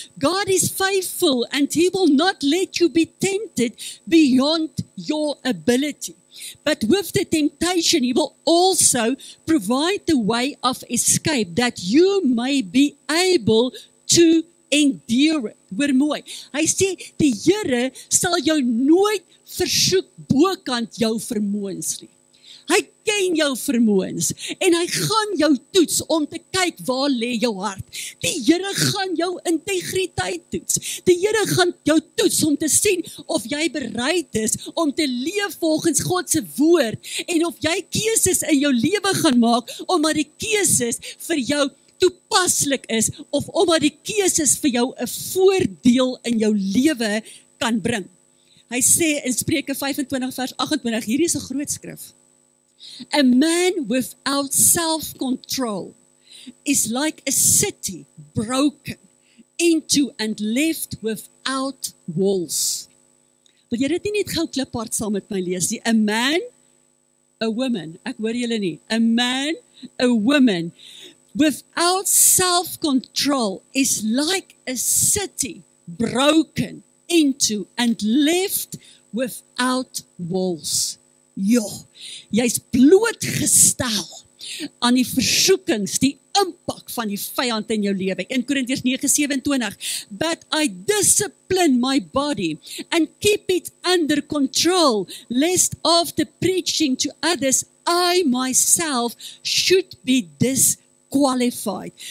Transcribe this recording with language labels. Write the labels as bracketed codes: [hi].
[en] God is faithful and he will not let you be tempted beyond your ability. But with the temptation he will also provide the way of escape that you may be able to endure it. [af] Hoor mooi. Hy sê, die Here sal jou nooit versoek bokant jou vermoëns nie. Hy ken jou vermoëns en hy gaan jou toets om te kyk waar lê jou hart. Die Here gaan jou integriteit toets. Die Here gaan jou toets om te sien of jy bereid is om te leef volgens God se woord en of jy keuses in jou lewe gaan maak omdat die keuses vir jou toepaslik is of omdat die keuses vir jou 'n voordeel in jou lewe kan bring. Hy sê in Spreuke 25 vers 28, hierdie is 'n groot skrif. [en] A man without self-control is like a city broken into and left without walls. [af] Wil jy dit nie net gauw kliphard saam met my lees nie? [en] A man, a woman, [af] ek hoor julle nie. [en] A man, a woman, without self-control is like a city broken into and left without walls. [af] Joh, jy is blootgestel aan die versoekings, die impak van die vijand in jou lewe. [en] 1 Korintiërs 9:27 But I discipline my body and keep it under control, lest after preaching to others, I myself should be disqualified.